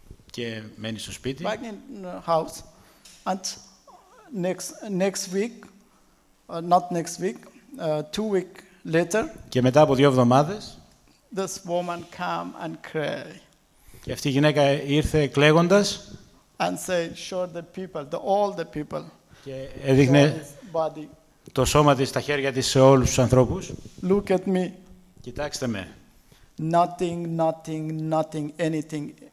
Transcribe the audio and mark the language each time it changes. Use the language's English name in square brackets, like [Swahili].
[Greek] Και μένει στο σπίτι. [English] Back in house. And two week later. [Greek] Και μετά από δύο εβδομάδες. [English] This woman come and cry. [Greek] Και αυτή η γυναίκα ήρθε κλαίγοντας. [English] and say, "Show the people, the all the people." [Greek] Και έδειχνε [English] body. [Greek] Το σώμα της στα χέρια της σε όλους τους ανθρώπους. [English] Look at me. [Greek] Κοιτάξτε με. [English] Nothing, nothing, nothing, anything.